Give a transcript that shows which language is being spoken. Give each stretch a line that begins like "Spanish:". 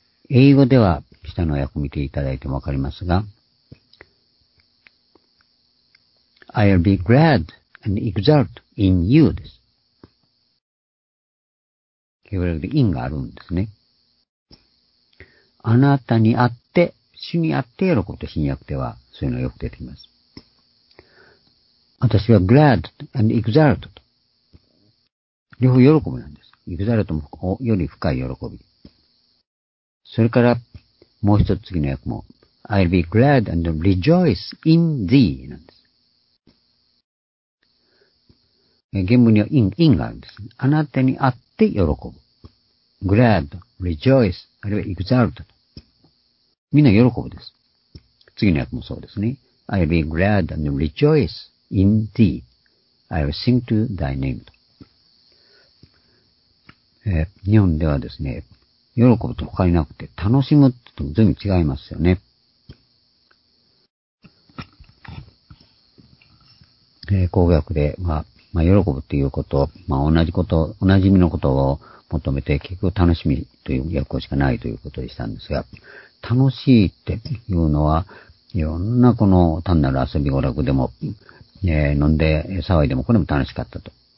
Japanese: 英語では下の訳を見ていただいてもわかりますが、
English: I'll be glad and exult in you
Japanese: です。ヘブライ語で in があるんですね。あなたにあって、主にあって喜ぶと新訳ではそういうのがよく出てきます。私は
English: glad and exult
Japanese: と。両方喜びなんです。 exult もより深い喜び。それから、もう一つ次の訳も、
English: I'll be glad and rejoice in thee
Japanese: なんです。原文には in があるんです。あなたにあって喜ぶ。 glad, rejoice, あるいは exult と。みんな喜ぶです。次の訳もそうですね。
English: I'll be glad and rejoice. In thee, I will sing to thy name.
Japanese: 日本ではですね、喜ぶと他になくて、楽しむと全然違いますよね。口語訳で、喜ぶということ、同じこと、おなじみのことを求めて、結局楽しみという訳しかないということでしたんですが、楽しいっていうのは、いろんなこの単なる遊び娯楽でも、飲んで騒いでもこれも楽しかったと。